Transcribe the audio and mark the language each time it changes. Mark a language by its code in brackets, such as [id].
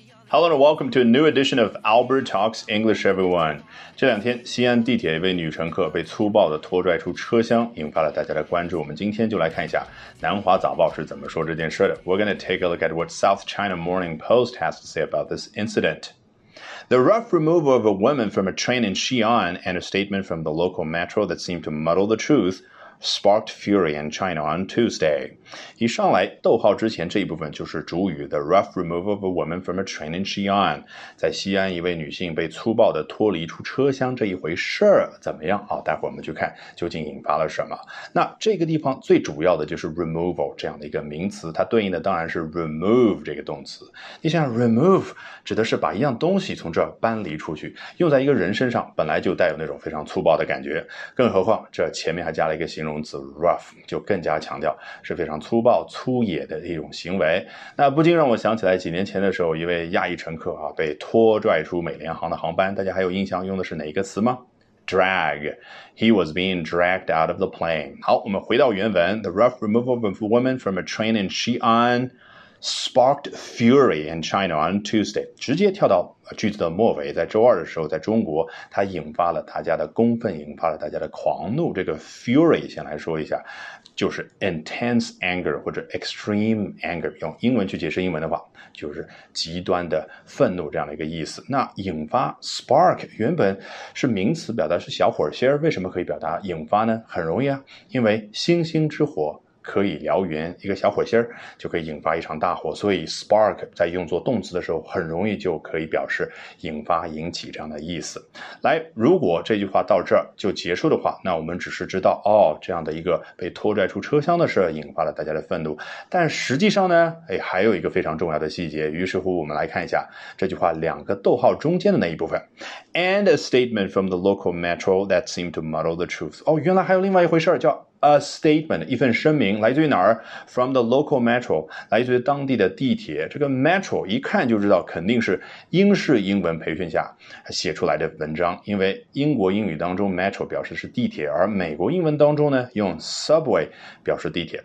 [en] Hello and welcome to a new edition of Albert Talks English, everyone. [zh] 这两天，西安地铁一位女乘客被粗暴地拖拽出车厢，引发了大家的关注。我们今天就来看一下《南华早报》是怎么说这件事的。 [en] We're going to take a look at what South China Morning Post has to say about this incident. The rough removal of a woman from a train in Xi'an and a statement from the local metro that seemed to muddle the truth. Sparked fury in China on Tuesday. [zh] 一上来，逗号之前这一部分就是主语 [en] the rough removal of a woman from a train in Xi'an. [zh] 在西安，一位女性被粗暴地脱离出车厢这一回事儿怎么样？待会儿我们去看究竟引发了什么。那这个地方最主要的就是 removal 这样的一个名词，它对应的当然是 remove 这个动词。你想 remove 指的是把一样东西从这儿搬离出去，用在一个人身上本来就带有那种非常粗暴的感觉，更何况这前面还加了一个形容词 rough 就更加强调是非常粗暴粗野的一种行为。那不禁让我想起来几年前的时候，一位亚裔乘客啊被拖拽出美联航的航班，大家还有印象用的是哪一个词吗？ [en] drag， he was being dragged out of the plane。 [zh] 好，我们回到原文， [en] the rough removal of a woman from a train in Xi'an sparked fury in China on Tuesday， [zh] 直接跳到句子的末尾，在周二的时候在中国它引发了大家的公愤，引发了大家的狂怒。这个 fury 先来说一下，就是 [en] intense anger [zh] 或者 [en] extreme anger， [zh] 用英文去解释英文的话就是极端的愤怒这样的一个意思。那引发 spark 原本是名词，表达是小火星，为什么可以表达引发呢？很容易啊，因为星星之火可以燎原，一个小火星就可以引发一场大火，所以 spark 在用作动词的时候很容易就可以表示引发引起这样的意思。来，如果这句话到这儿就结束的话，那我们只是知道这样的一个被拖拽出车厢的事引发了大家的愤怒，但实际上呢还有一个非常重要的细节。于是乎我们来看一下这句话两个逗号中间的那一部分， [en] and a statement from the local metro that seemed to muddle the truth。 [zh] 原来还有另外一回事叫 [en] A statement， [zh] 一份声明，来自于哪儿？ [en] From the local metro， [zh] 来自于当地的地铁。这个 metro 一看就知道肯定是英式英文培训下写出来的文章，因为英国英语当中 metro 表示是地铁，而美国英文当中呢用 subway 表示地铁。